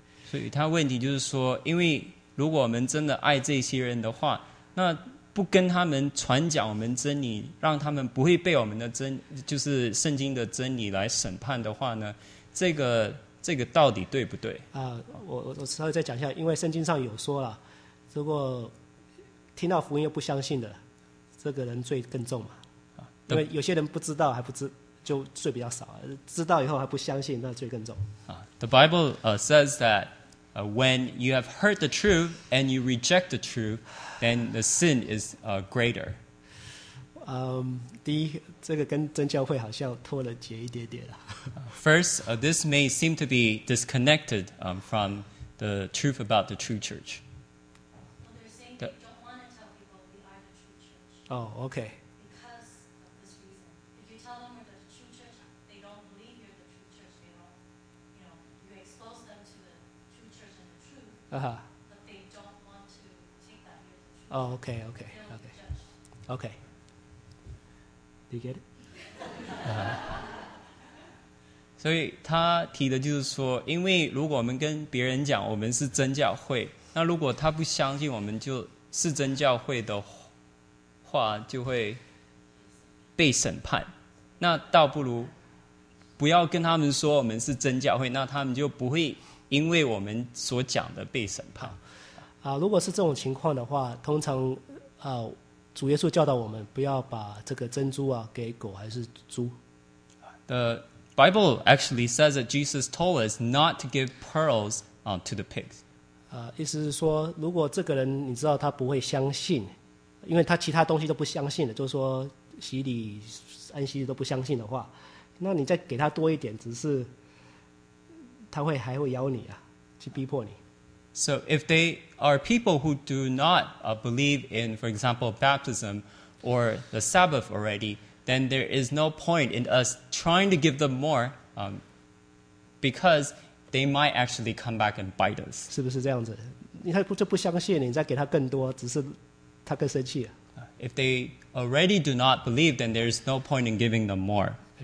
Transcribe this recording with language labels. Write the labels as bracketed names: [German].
[Chinese] 所以他问题就是说，因为如果我们真的爱这些人的话，那不跟他们传讲我们真理，让他们不会被我们的真，就是圣经的真理来审判的话呢，这个到底对不对？我稍微再讲一下，因为圣经上有说了，如果听到福音又不相信的，这个人罪更重嘛。因为有些人不知道还不知，就罪比较少；知道以后还不相信，那罪更重。 [English] The Bible says that when you have heard the truth and you reject the truth, then the sin is greater. [Chinese] 第一，这个跟真教会好像脱了节一点点了。 [English] First, this may seem to be disconnected from the truth about the true church. Well, they're saying they don't want to tell people we are the true church. Oh, okay. Uh-huh. But they don't want to take that view. Oh, okay, okay, okay. Okay. Do you get it? [Chinese] 所以他提的就是说，因为如果我们跟别人讲我们是真教会，那如果他不相信我们就是真教会的话，就会被审判。那倒不如不要跟他们说我们是真教会，那他们就不会因为我们所讲的被审判。如果是这种情况的话，通常主耶稣教导我们不要把这个珍珠给狗还是猪。 [English] The Bible actually says that Jesus told us not to give pearls to the pigs. [Chinese] 意思是说，如果这个人你知道他不会相信，因为他其他东西都不相信的，就是说洗礼、安息日都不相信的话，那你再给他多一点，只是他会还会咬你去逼迫你。 [English] So if they are people who do not believe in, for example, baptism or the Sabbath already, then there is no point in us trying to give them more because they might actually come back and bite us. [Chinese] 是不是这样子？你他就不相信，你再给他更多，只是他更生气。 [English] If they already do not believe, then there is no point in giving them more.